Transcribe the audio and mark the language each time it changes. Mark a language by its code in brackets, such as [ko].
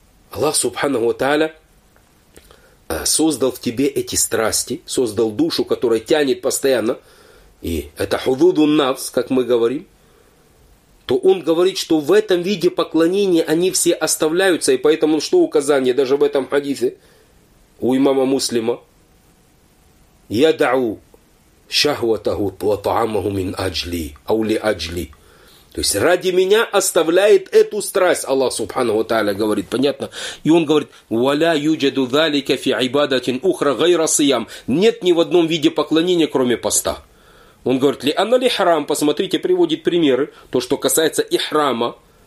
[ru] Аллах Субханаху ва Тааля создал в тебе эти страсти, создал душу, которая тянет постоянно, и это худуду нафс, как мы говорим, то он говорит, что в этом виде поклонения они все оставляются, и поэтому что указание даже в этом хадисе у имама Муслима, [ar] يدعو شهوته وطعامه من أجلي أو لأجلي. [ru] То есть ради меня оставляет эту страсть, Аллах Субханаху Тааля говорит, понятно? И он говорит, [ar] «Валя юджаду залика фи айбадатин ухра гайра сиям». [ru] Нет ни в одном виде поклонения, кроме поста. Он говорит, [ar] «Ли анна ли храм?» [ru] Посмотрите, приводит примеры, то, что касается ихрама.